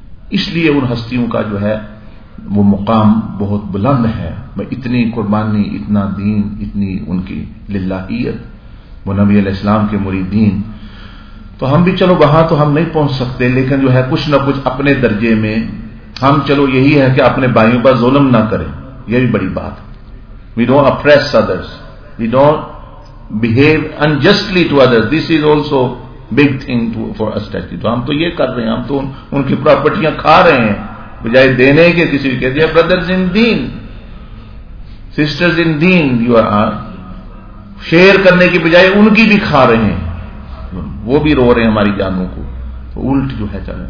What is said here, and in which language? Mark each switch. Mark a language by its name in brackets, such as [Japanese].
[Urdu] اس لیے ان ہستیوں کا جو ہے وہ مقام بہت بلند ہے, اتنی قربانی, اتنا دین, اتنی ان کی للہیت, وہ نبی علیہ السلام کے مریدین. تو ہم بھی چلو وہاں تو ہم نہیں پہنچ سکتے, لیکن جو ہے کچھ نہ کچھ اپنے درجے میں ہم, چلو یہی ہے کہ اپنے بھائیوں پر ظلم نہ کریں, یہ بھی بڑی بات. [English] We don't oppress others, we don't behave unjustly to others, this is also big thing to, for us to do. [Urdu] تو ہم تو یہ کر رہے ہیں, ہم تو ان کی پراپرٹیاں کھا رہے ہیں بجائے دینے کے. کسی بھی کہتے ہیں [English] brothers in deen, sisters in deen, you are [Urdu] share کرنے کے بجائے ان کی بھی کھا رہے ہیں, وہ بھی رو رہے ہیں ہماری جانوں کو, تو الٹ جو ہے چلیں.